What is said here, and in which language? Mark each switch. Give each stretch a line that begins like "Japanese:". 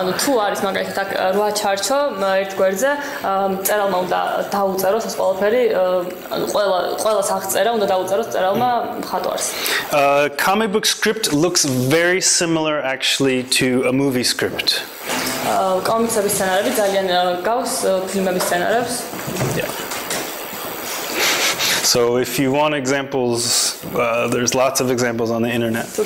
Georgian: ანუ თუ არის მაგალითად აქ 8 ჩარჩო ერთ გვერდზე, წერალმა უნდა დაუწეროს ეს ყველაფერი, ანუ ყველა საღწერა უნდა დაუწეროს წერალმა მხატვარს.
English: Comic book script looks very similar actually to a movie script.
Georgian: Კომიქსების სცენარები ძალიან გავს ფილმების სცენარებს.
English: So if you want examples, there's lots of examples on the internet.